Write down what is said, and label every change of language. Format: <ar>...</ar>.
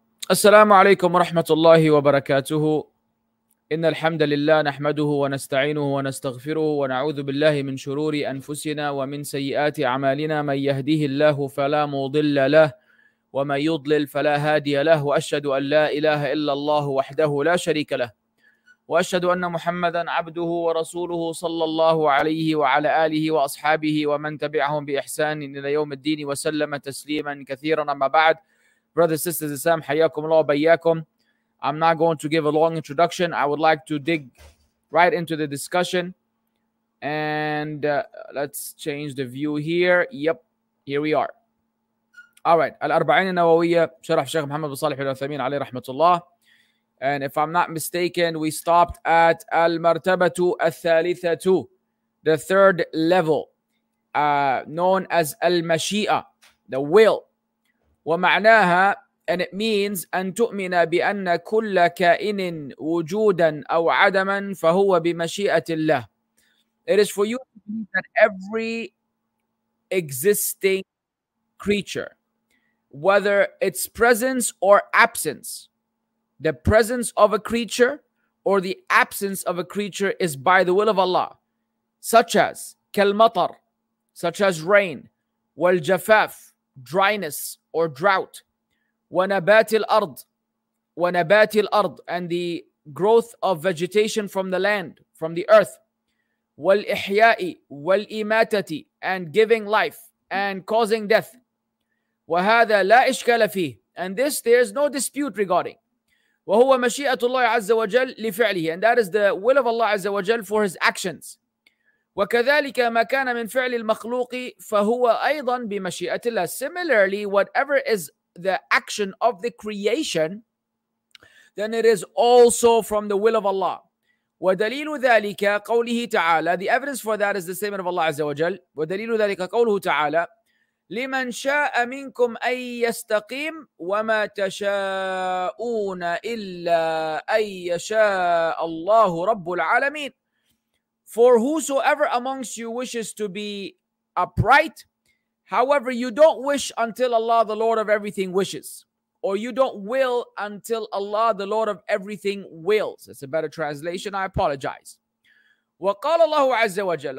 <ar>السلام عليكم ورحمة الله وبركاته إن الحمد لله نحمده ونستعينه ونستغفره ونعوذ بالله من شرور أنفسنا ومن سيئات أعمالنا من يهده الله فلا مضل له ومن يضلل فلا هادي له وأشهد أن لا إله إلا الله وحده لا شريك له وأشهد أن محمدًا عبده ورسوله صلى الله عليه وعلى آله وأصحابه ومن تبعهم بإحسان إلى يوم الدين وسلم تسليمًا كثيرًا أما بعد</ar> <en>Brothers, sisters, Islam, hayakum Allah, bayakum. I'm not going to give a long introduction. I would like to dig right into the discussion. And let's change the view here. Yep, here we are. All right. Al-Arba'in An-Nawawiyya, Sharah Sheikh Muhammad bin Salih al-Uthaymeen alayhi rahmatullah. And if I'm not mistaken, we stopped at Al-Martabatu Al-Thalithatu, the third level, known as Al-Mashi'ah, the will.</en> <ar>ومعناها</ar> <en>and it means</en> <ar>أن تؤمن بأن كل كائن وجودا أو عدما فهو بمشيئة الله.</ar> <en>It is for you to believe that every existing creature, whether its presence or absence, the presence of a creature or the absence of a creature is by the will of Allah, such as</en> <ar>كالمطر,</ar> <en>such as rain,</en> <ar>والجفاف,</ar> <en>dryness or drought,</en> <ar>وَنَبَاتِ الْأَرْضِ</ar> <en>and the growth of vegetation from the land, from the earth,</en> <ar>وَالْإِحْيَاءِ وَالْإِمَاتَةِ</ar> <en>and giving life and causing death,</en> <ar>وَهَذَا لَا إِشْكَالَ فِيهِ</ar> <en>and this there is no dispute regarding,</en> <ar>وَهُوَ مَشِيئَةُ اللَّهِ عَزَّ وَجَلَّ لِفِعْلِهِ</ar> <en>and that is the will of Allah عز وجل for his actions.</en> <ar>وكذلك ما كان من فعل المخلوق فهو أيضا بمشيئة الله.</ar> <en>Similarly, whatever is the action of the creation, then it is also from the will of Allah.</en> <ar>ودليل ذلك قوله تعالى.</ar> <en>The evidence for that is the statement of Allah عز وجل.</en> <ar>ودليل ذلك قوله تعالى. لمن شاء منكم أن يستقيم وما تشاءون إلا أن يشاء الله رب العالمين.</ar> <en>For whosoever amongst you wishes to be upright, however, you don't wish until Allah, the Lord of everything, wishes. Or you don't will until Allah, the Lord of everything, wills. That's a better translation. I apologize.</en> <ar>وقال الله عز وجل.</ar>